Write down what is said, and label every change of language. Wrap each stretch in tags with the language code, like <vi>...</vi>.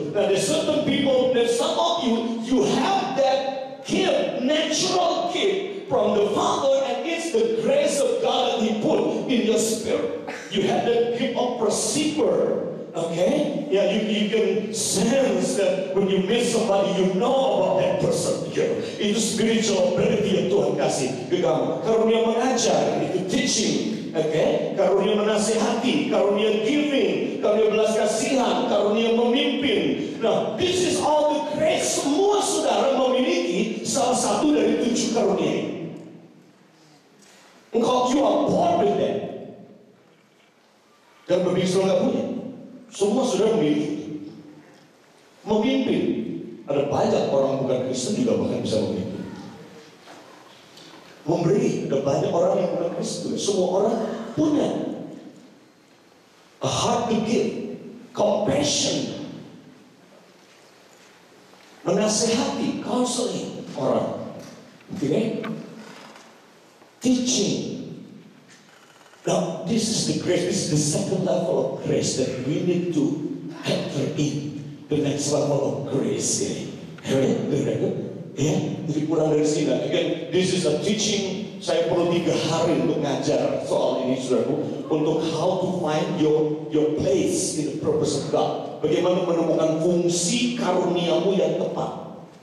<en>Now there's certain people, there's some of you, you have that gift, natural gift from the Father, and it's the grace of God that He put in your spirit. You have that gift of perceiver, okay? Yeah, you can sense that when you meet somebody, you know about that person. Yeah.</en> <id>Itu</id> <en>spiritual ability</en> <id>yang Tuhan kasih ke kamu. Karunia mengajar, itu teaching. Okay? Karunia menasihati, karunia giving, karunia belas kasihan, karunia memimpin.</id> <en>Nah, this is all the grace.</en> <id>Semua saudara memiliki salah satu dari tujuh karunia.</id> <en>Engkau, you are born with that.</en> <id>Dan berbicara saudara punya. Semua saudara memiliki. Memimpin. Ada banyak orang bukan Kristen juga bahkan bisa memimpin. Memberi, ada banyak orang yang bukan Kristen. Semua orang punya</id> <en>a heart to give,</en> <id>compassion, menasehati, counseling orang, okay? Teaching.</id> <en>Now this is the grace. This is the second level of grace that we need to enter in. The next level of grace. Amen.</en> <id>Ya, jadi kurang dari sini.</id> <en>Again, this is a teaching.</en> <id>Saya perlu 3 hari untuk ngajar soal ini, saudaraku, untuk</id> <en>how to find your place in the purpose of God.</en> <id>Bagaimana menemukan fungsi karuniamu yang tepat.</id>